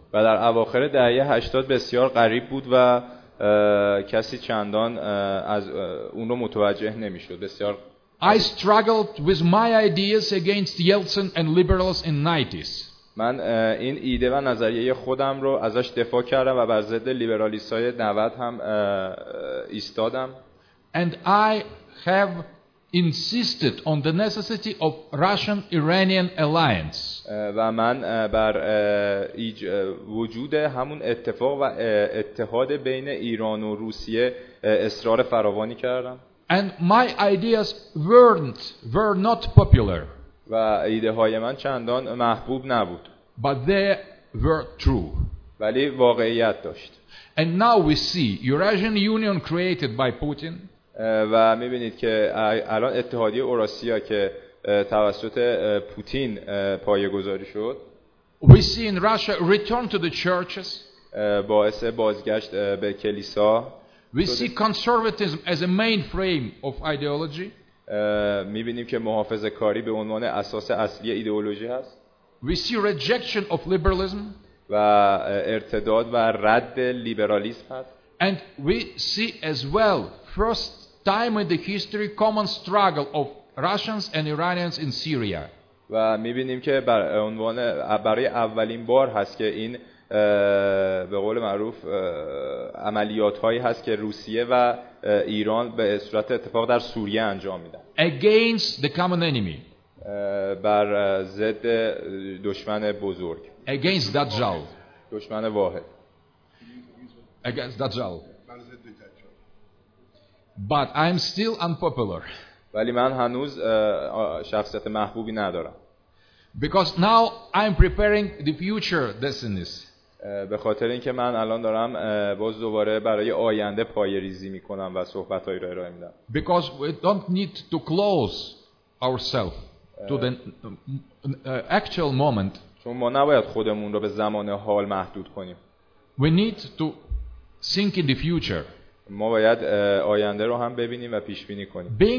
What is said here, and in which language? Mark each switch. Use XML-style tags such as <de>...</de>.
<fa>و در اواخر دهه 80 بسیار غریب بود و کسی چندان از اون رو متوجه نمی‌شد. بسیار</fa> <en>I struggled with my ideas against Yeltsin and liberals in 90s.</en> <fa>من این ایده و نظریه خودم رو ازش دفاع کردم و بر ضد لیبرالیست‌های 90 هم ایستادم.</fa> <en>And I have insisted on the necessity of Russian-Iranian alliance.</en> <fa>و من بر وجود همون اتفاق و اتحاد بین ایران و روسیه اصرار فراوانی کردم.</fa> <en>And my ideas were not popular.</en> <fa>و ایده های من چندان محبوب نبود.</fa> <en>But they were true.</en> <fa>ولی واقعیت داشت.</fa> <en>And now we see Eurasian Union created by Putin.</en> <fa>و می‌بینید که الان اتحادیه اوراسیا که توسط پوتین پایه‌گذاری شد.</fa> <en>We see in Russia return to the churches.</en> <fa>باعث بازگشت به کلیسا.</fa> <en>We see conservatism as a mainframe of ideology.</en> <fa>می‌بینیم که محافظه‌کاری به عنوان اساس اصلی ایدئولوژی هست.</fa> <en>We see rejection of liberalism.</en> <fa>و ارتداد و رد لیبرالیسم هست.</fa> <en>And we see as well first time in the history common struggle of Russians and Iranians in Syria.</en> <fa>و می‌بینیم که بر عنوان برای اولین بار هست که این به قول معروف عملیات هایی هست که روسیه و ایران به صورت اتفاق در سوریه انجام میدن.</fa> <en>Against the common enemy.</en> <fa>بر ضد دشمن بزرگ.</fa> <en>Against that jaw.</en> <fa>دشمن واحد.</fa> <en>Against that jaw. But I'm still unpopular.</en> <fa>ولی من هنوز شخصیت محبوبی ندارم.</fa> <en>Because now I'm preparing the future destinies.</en> <fa>به خاطر اینکه من الان دارم باز دوباره برای آینده پایه‌ریزی می‌کنم و صحبت‌های را ارائه می‌دم.</fa> <en>Because we don't need to close ourselves to the actual moment.</en> <fa>چون ما نباید خودمون رو به زمان حال محدود کنیم.</fa> <en>We need to think in the future.</en> <fa>ما باید آینده رو هم ببینیم و پیش بینی کنیم.</fa>